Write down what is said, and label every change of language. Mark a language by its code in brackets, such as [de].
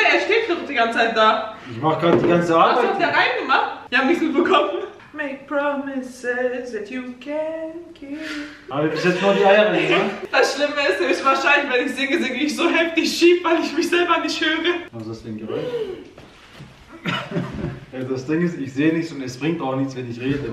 [de] Er steht doch die ganze Zeit da. Ich mach gerade die ganze Arbeit. Was hat der reingemacht? Wir haben nichts mitbekommen. [en] Make promises that you can keep. [de] Aber bis jetzt nur die Eier drin, ne? Das Schlimme ist, ist wahrscheinlich, wenn ich singe, singe ich so heftig schief, weil ich mich selber nicht höre. Was ist das für ein Geräusch? Das Ding ist, ich sehe nichts und es bringt auch nichts, wenn ich rede.